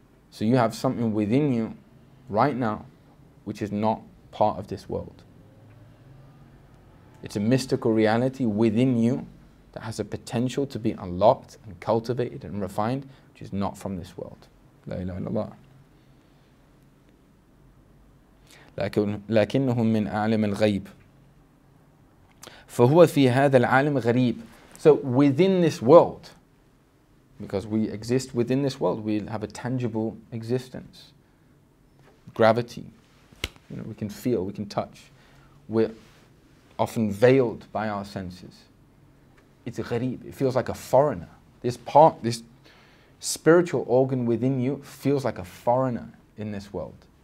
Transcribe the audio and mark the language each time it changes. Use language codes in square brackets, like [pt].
[en] So you have something within you right now which is not part of this world. It's a mystical reality within you that has a potential to be unlocked and cultivated and refined, which is not from this world. [ar] La ilaha illallah. لكنه من عالم الغيب فهو في هذا العالم غريب. [en] So within this world, because we exist within this world, we have a tangible existence. Gravity, you know, we can feel, we can touch. We're often veiled by our senses. It's gharib, it feels like a foreigner. This part, this spiritual organ within you feels like a foreigner in this world.